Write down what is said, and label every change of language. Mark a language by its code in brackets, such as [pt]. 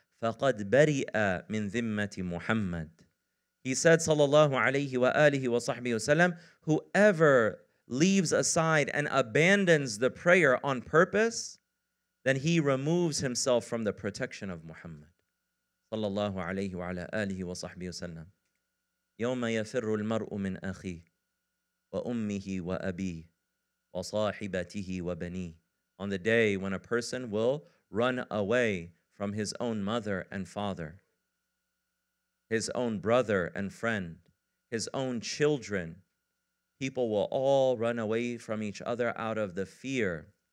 [ar] فَقَدْ بَرِئَ مِنْ ذِمَّةِ مُحَمَّدٍ. [en] He said, [ar] صلى الله عليه وآله وصحبه وسلم, [en] whoever leaves aside and abandons the prayer on purpose, then he removes himself from the protection of Muhammad. صلى الله عليه وعلى آله وصحبه وسلم. [ar] يوم يفر المرء من أخيه وأمه وأبيه وصاحبته وبنيه. [en] On the day when a person will run away from his own mother and father, his own brother and friend, his own children, people will all run away from each other out of the fear.